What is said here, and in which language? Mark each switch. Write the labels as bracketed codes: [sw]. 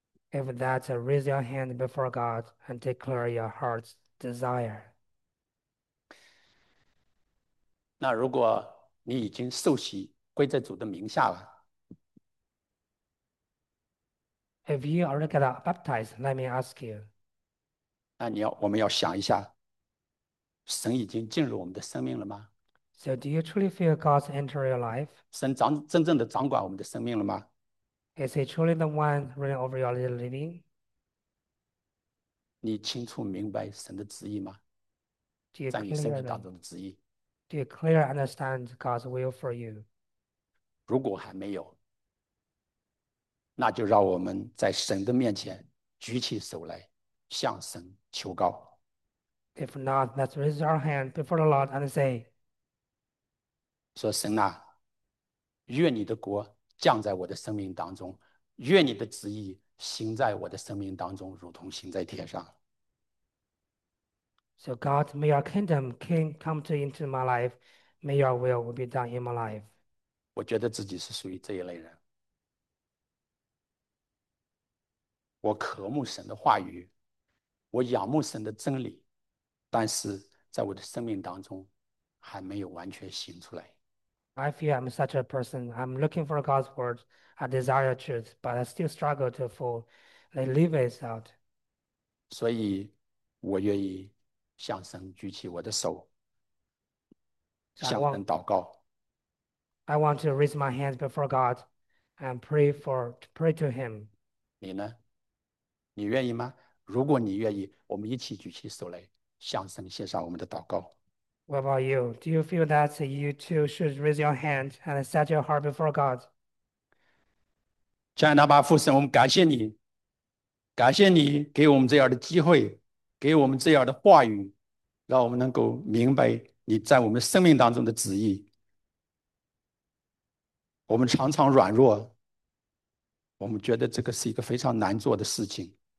[en] If that's a raise your hand before God and declare your heart's desire. [zh] 那如果你已经受洗归在主的名下了， [en] If you already got baptized, let me ask you. [zh] 那我们要想一下，神已经进入我们的生命了吗？ [en] So, do you truly feel God's enter your life? [zh] 神真正的掌管我们的生命了吗？ [en] Is He truly the one ruling over your living? [zh] 你清楚明白神的旨意吗？在你生命当中的旨意。 [en] Do you clearly understand God's will for you? [zh] 如果还没有，那就让我们在神的面前举起手来，向神求告。 [en] If not, let's raise our hand before the Lord and say, [zh] 说神呐、啊。愿你的国降在我的生命当中，愿你的旨意行在我的生命当中，如同行在天上。 [en] So God, may your kingdom come into my life. May your will be done in my life. [zh] 我觉得自己是属于这一类人。我渴慕神的话语，我仰慕神的真理，但是在我的生命当中还没有完全行出来。 [en] I feel I'm such a person. I'm looking for God's word. I desire truth, but I still struggle to fully live it out. [zh] 所以，我愿意向神举起我的手， [en] So I [zh] 向神 [en] want. [zh] 祷告。 [en] I want to raise my hands before God, and pray to Him. [zh] 你呢？你愿意吗？如果你愿意，我们一起举起手来，向神献上我们的祷告。 [en] What about you? Do you feel that you too should raise your hand and set your heart before God? [zh] 亲爱的巴父神，我们感谢你。感谢你给我们这样的机会，给我们这样的话语，让我们能够明白你在我们生命当中的旨意。我们常常软弱，我们觉得这个是一个非常难做的事情。